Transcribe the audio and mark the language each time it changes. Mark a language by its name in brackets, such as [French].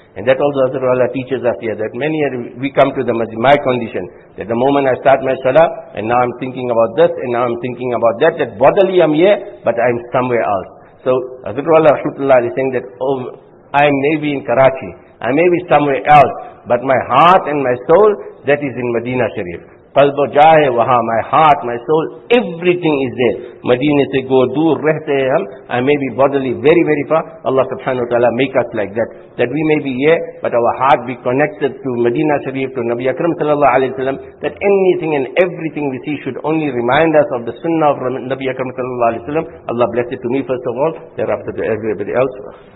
[English] And that also Hazrat Wala teaches us here, that many years we come to the masjid, my condition, that the moment I start my salah, and now I'm thinking about this, and now I'm thinking about that, that bodily I'm here, but I'm somewhere else. So Hazrat Wala rahmatullah is saying that, oh, I may be in Karachi, I may be somewhere else, but my heart and my soul, that is in Medina Sharif. [Urdu] قلب جائے وہاں, [English] my heart, my soul, everything is there. [Urdu] مدینے سے گو دور رہتے ہیں ہم, [English] I may be bodily very very far. Allah subhanahu wa ta'ala make us like that. That we may be here, but our heart be connected to Medina Sharif, to Nabi Akram sallallahu alayhi wa sallam. That anything and everything we see should only remind us of the sunnah of Nabi Akram sallallahu alayhi wa sallam. Allah bless it to me first of all, thereafter to everybody else.